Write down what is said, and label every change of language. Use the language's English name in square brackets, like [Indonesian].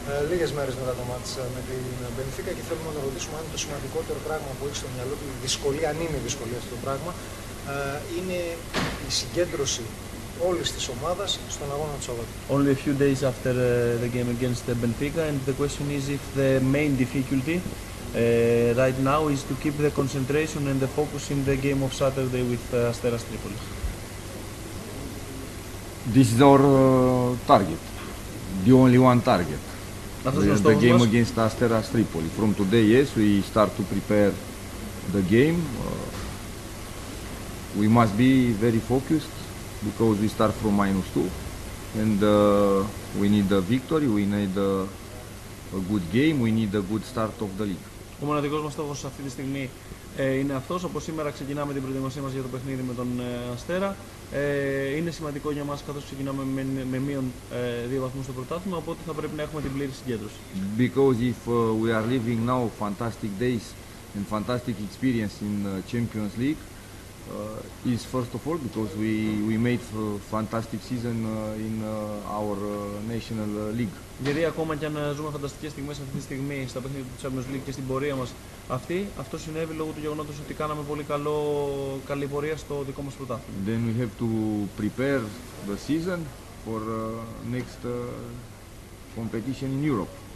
[Greek] Λίγες μέρες μετά το μάτς με την Μπενφίκα και θέλουμε να ρωτήσουμε αν το σημαντικότερο πράγμα που έχει στο μυαλό του, η δυσκολία, αν είναι η δυσκολία αυτό το πράγμα, είναι η συγκέντρωση όλης της ομάδας στον αγώνα του Σαββάτου. [English] Only a few days after the game against the Benfica and the question is if the main difficulty right now is to keep the concentration and the focus in the game of Saturday with Asteras Tripoli. This is our target, the only one target. The game against Asteras Tripoli. From today, yes, we start to prepare the game. We must be very focused because we start from minus two, and we need a victory. We need a good game. We need a good start of the league. [Greek] Ο μοναδικός μας στόχος αυτή τη στιγμή είναι αυτός. Όπως σήμερα ξεκινάμε την προετοιμασία μας για το παιχνίδι με τον Αστέρα. Είναι σημαντικό για μας καθώς ξεκινάμε με μείον 2 βαθμούς στο πρωτάθλημα, οπότε θα πρέπει να έχουμε την πλήρη συγκέντρωση. [English] Because if we are living now fantastic days and fantastic experience in Champions League, is first of all because we made a fantastic season in our national league. [Greek] Γιατί ακόμα και αν ζούμε φανταστικές στιγμές αυτή τη στιγμή στα παιχνίδια του Champions League και στην πορεία μας αυτή, αυτό συνέβη λόγω του γεγονότος ότι κάναμε πολύ καλή πορεία στο δικό μας πρωτάθλημα. [English] Then we have to prepare the season for next competition in Europe.